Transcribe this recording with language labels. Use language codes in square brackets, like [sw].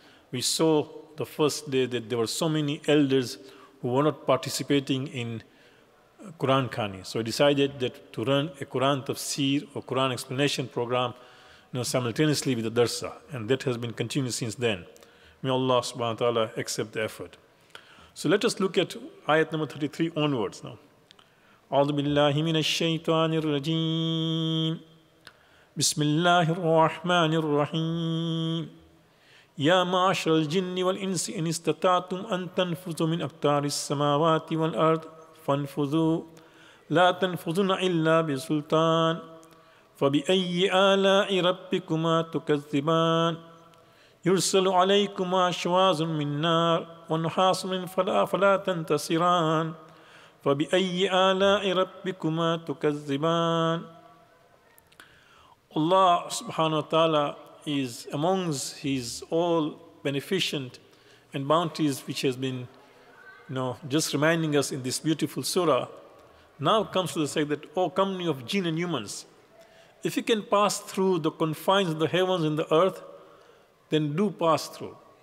[en] We saw the first day that there were so many elders who were not participating in Quran Khani. So we decided that to run a Quran tafsir or Quran explanation program, you know, simultaneously with the darsa. And that has been continued since then. May Allah subhanahu wa ta'ala accept the effort. So let us look at ayat number 33 onwards now. [ar] أعوذ بالله من الشيطان الرجيم بسم الله الرحمن الرحيم يا معشر الجن والإنس إن استطعتم أن تنفذوا من أقطار السماوات والأرض فانفذوا لا تنفذون إلا بسلطان فبأي آلاء ربكما تكذبان يرسل عليكما شواذ من نار ونحاس فلا تنتصران فَبِأَيِّ آلَاءِ رَبِّكُمَا تُكَذِّبَانِ. [en] Allah subhanahu wa ta'ala is amongst his all beneficent and bounties which has been, you know, just reminding us in this beautiful surah. Now comes to the say that, O company of jinn and humans, if you can pass through the confines of the heavens and the earth, then do pass through.